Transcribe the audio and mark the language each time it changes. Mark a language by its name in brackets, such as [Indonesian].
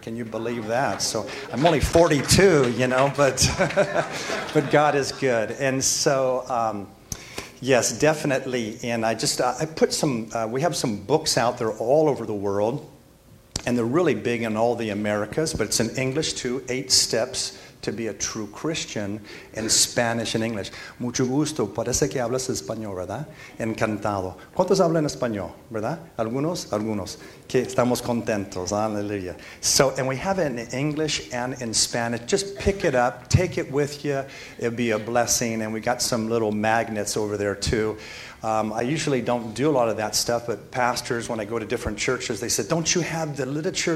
[English] Can you believe that? So I'm only 42, you know, but but God is good. And so, Yes, definitely. And I just, I put some, we have some books out there all over the world, and they're really big in all the Americas, but it's in English too, 8 Steps to Be a True Christian, in Spanish and English. [Spanish] Mucho gusto, parece que hablas español, ¿verdad? Encantado. ¿Cuántos hablan español, verdad? Algunos, algunos. Que estamos contentos, aleluya. [English] So, and we have it in English and in Spanish. Just pick it up, take it with you, it'll be a blessing. And we got some little magnets over there too. I usually don't do a lot of that stuff, but pastors, when I go to different churches, they said, don't you have the literature?